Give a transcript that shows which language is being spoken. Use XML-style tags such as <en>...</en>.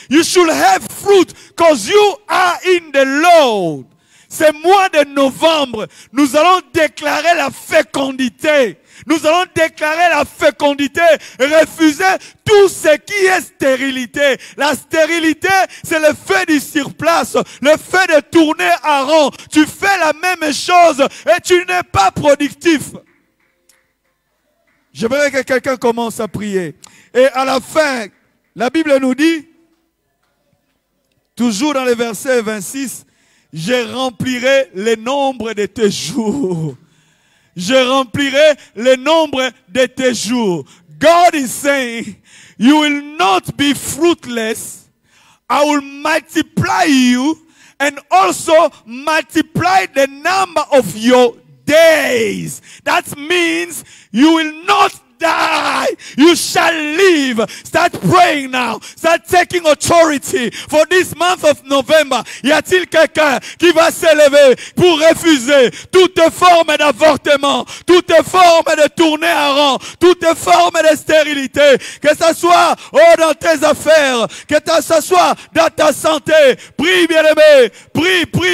<en>You should have fruit because you are in the Lord.</en> <fr>Ce mois de novembre, nous allons déclarer la fécondité. Nous allons déclarer la fécondité, refuser tout ce qui est stérilité. La stérilité, c'est le fait du surplace, le fait de tourner à rond. Tu fais la même chose et tu n'es pas productif. J'aimerais que quelqu'un commence à prier. Et à la fin, la Bible nous dit, toujours dans le verset 26, « Je remplirai le nombre de tes jours. » Je remplirai le nombre de tes jours.</fr> <en>God is saying, you will not be fruitless. I will multiply you and also multiply the number of your days. That means you will not die. You shall live. Start praying now. Start taking authority for this month of November.</en> <fr>Y a-t-il quelqu'un qui va s'élever pour refuser toute forme d'avortement, toute forme de tourner à rond, toute forme de stérilité, que ça soit dans tes affaires, que ça soit dans ta santé. Prie, bien-aimé. Prie.</fr>